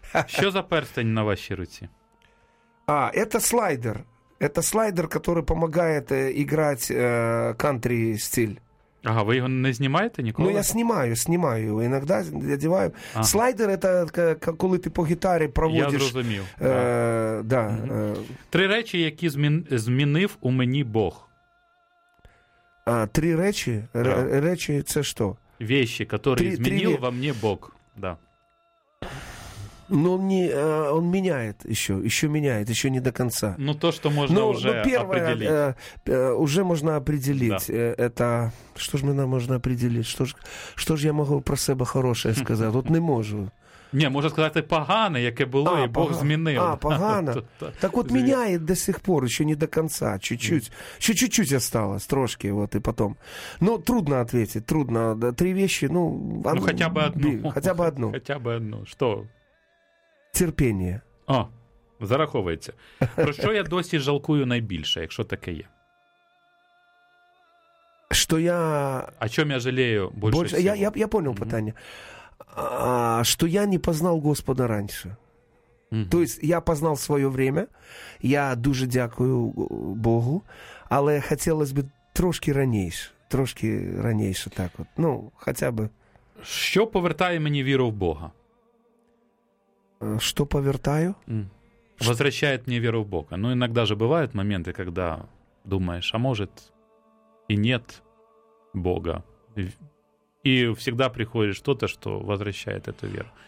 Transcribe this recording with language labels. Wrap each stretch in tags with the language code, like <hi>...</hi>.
<ru>Что за перстень на вашей руке? А, это слайдер. Это слайдер, который помогает играть кантри стиль. Ага, вы его не снимаете никогда? Ну, я снимаю его. Иногда одеваю. Ага. Слайдер — это когда ты по гитаре проводишь.</ru> <uk>Я зрозумів.</uk> <ru>Да.</ru> <uk>Три речи, які змінив у мені Бог. А, три речи? Да. Речи — це что?</uk> <ru>Вещи, которые изменил во мне Бог, да. Но он меняет еще меняет, еще не до конца. Ну, то, что можно определить. Уже можно определить. Да. Это что же мне можно определить? Что ж я могу про себя хорошее сказать? Вот не можу. Не, можно сказать,</ru> <uk>погане, яке</uk> <ru>было, и Бог</ru> <uk>змінив. А, погано.</uk> <ru>Так вот, меняет до сих пор, еще не до конца, чуть-чуть. Еще чуть-чуть осталось,</ru> <uk>трошки,</uk> <ru>вот, и потом. Но трудно ответить, трудно. Да, три вещи, ну... Ну, хотя бы одну. Хотя бы одну. Хотя бы одну. Что? Терпение.</ru> <uk>О, зараховується. Про що я досі жалкую найбільше, якщо таке є?</uk> <ru>Что я... О чем я жалею больше всего? Я понял</ru> <uk>питання.</uk> <ru>Что я не познал Господа раньше. То есть я познал свое время,</ru> <uk>я дуже дякую Богу, але</uk> <ru>хотелось бы</ru> <uk>трошки раніше,</uk> <ru>так вот, ну, хотя бы.</ru> <uk>Що повертає мені віру в Бога?</uk> <ru>Что</ru> <uk>повертаю?</uk> <ru>Возвращает мне веру в Бога. Ну, иногда же бывают моменты, когда думаешь, а может и нет Бога. И всегда приходит что-то, что возвращает эту веру.</ru>